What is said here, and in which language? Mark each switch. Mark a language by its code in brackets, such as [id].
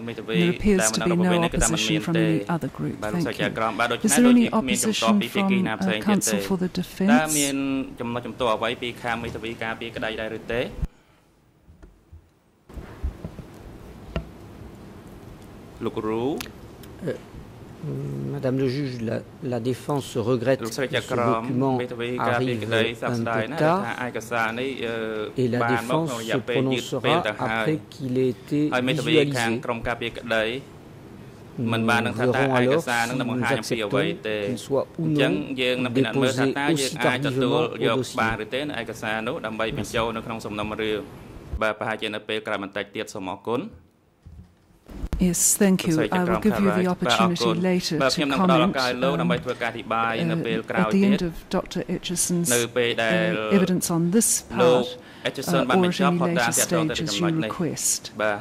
[en] There appears to be no opposition from any other group. Thank you. Is there any opposition from counsel for the defence? [fr] Madame le juge, la défense regrette que ce document arrive un peu tard et la défense se prononcera après qu'il ait été visualisé. Nous verrons alors si nous acceptons qu'il soit ou non déposé aussi tardivement au dossier. Merci. [en] Yes, thank you. I will give you the opportunity later to comment at the end of Dr. Etcheson's evidence on this part or at any later stage as you request.